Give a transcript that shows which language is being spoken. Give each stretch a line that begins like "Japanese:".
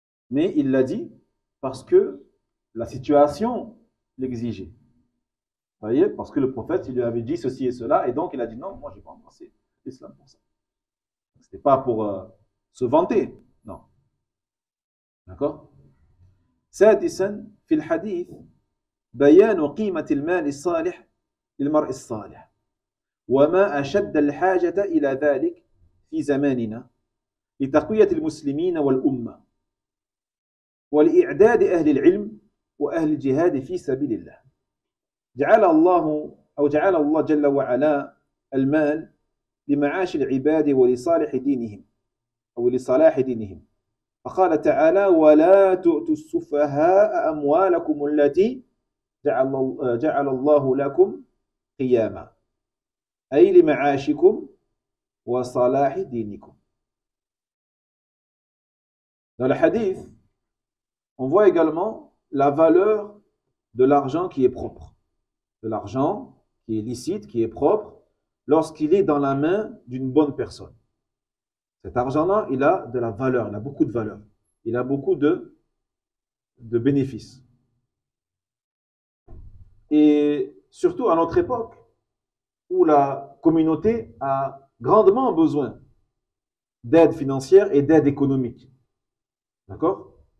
French: Mais il l'a dit parce que la situation l'exigeait. Vous voyez? Parce que le prophète, il lui avait dit ceci et cela, et donc il a dit « Non, moi, je n'ai pas embrassé l'islam pour ça. » Ce n'était pas pour... se vanter, non. D'accord?
Arabic: سادسا في الحديث بيان قيمة المال الصالح للمرء الصالح وما أشد الحاجة إلى ذلك في زماننا لتقوية المسلمين والأمة ولإعداد أهل العلم وأهل الجهاد في سبيل الله جعل الله أو جعل الله جل وعلا المال لمعاش العباد ولصالح دينهم أو لصلاح دينهم فقال تعالى ولا تؤتوا السفهاء أموالكم التي جعل الله لكم قياما أي لمعاشكم وصلاح دينكم
French: Dans le hadith, on voit également la valeur de l'argent qui est propre. De l'argent qui est licite, qui est propre, lorsqu'il est dans la main d'une bonne personne. Cet argent-là, il a de la valeur, il a beaucoup de valeur. Il a beaucoup de bénéfices. Et surtout à notre époque, où la communauté a grandement besoin d'aide financière et d'aide économique. D'accord?